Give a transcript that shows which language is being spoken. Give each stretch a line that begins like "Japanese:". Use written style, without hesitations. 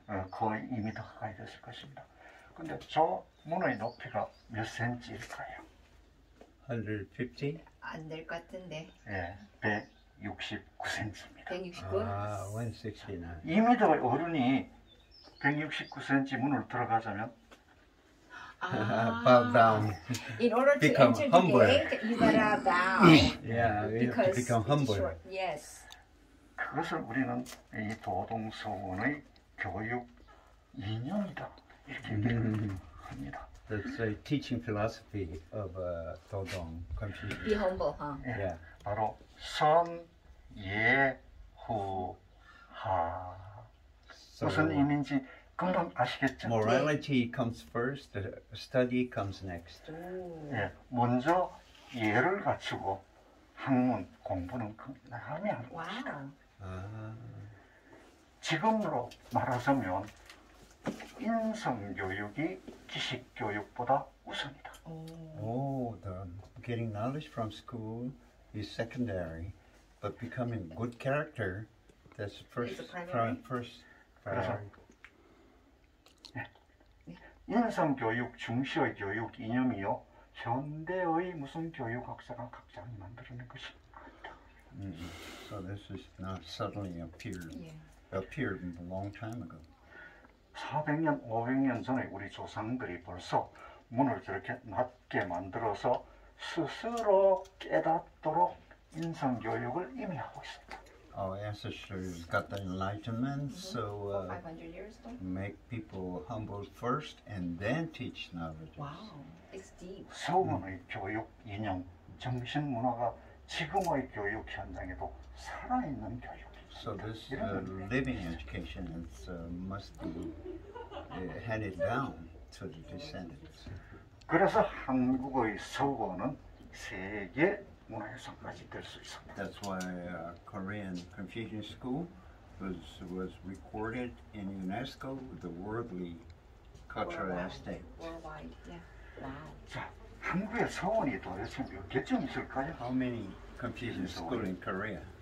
Korean: 거의 2m 가까이 됐을 것입니다. 근데 저 문의 높이가 몇 cm일까요? 150? 안 될 것 같은데. 예, 169cm입니다. 169? 아, 169. 2m의 어른이 169cm 문을 들어가자면
English: bow down. In order to become enter humble. The gate, you gotta bow. Yeah, you have to become humble. Yes.
Korean: 그것을 우리는 이 도동서원의 교육 이념이다 이렇게 합니다.
English: That's a teaching philosophy of a Dodong Confucius. Be humble, huh? Yeah. Yeah.
Korean: 바로 선, 예, 후, 하. So, 무슨 의미인지 금방 아시겠죠?
English: Morality comes first, study comes next.
Korean: 예, 먼저 예를 갖추고 학문, 공부는 하면 됩니다. 지금으로 말하자면 인성 교육이 지식 교육보다 우선이다.
English: The getting knowledge from school is secondary, but becoming good character that's first.
Korean: 그래서 인성 교육 중시의 교육 이념이요 현대의 무슨 교육학자가 각자가 만들어낸 것이.
English: So this is not suddenly appeared a long time ago.
Korean: 400년, 500년 전에 우리 조상들이 벌써 문을 저렇게 낮게 만들어서 스스로 깨닫도록 인성 교육을 이미 하고 있습니다.
English: Our ancestors got the enlightenment, so 500 years ago? Make people humble first and then teach knowledge. Wow, it's deep.
Korean: 서원의 교육 이념, 정신 문화가 지금의 교육 현장에도 살아있는 교육입니다.
English: So this living education is, must be handed down to the descendants.
Korean: 그래서 한국의 서원은 세계 문화유산까지 될 수 있었다.
English: That's why Korean Confucian School was recorded in UNESCO, the worldly cultural estate. Worldwide, yeah. Wow.
Korean: 자, 한국의 서원이 도대체 몇 개쯤 있을까요?
English: How many Confucian school in Korea?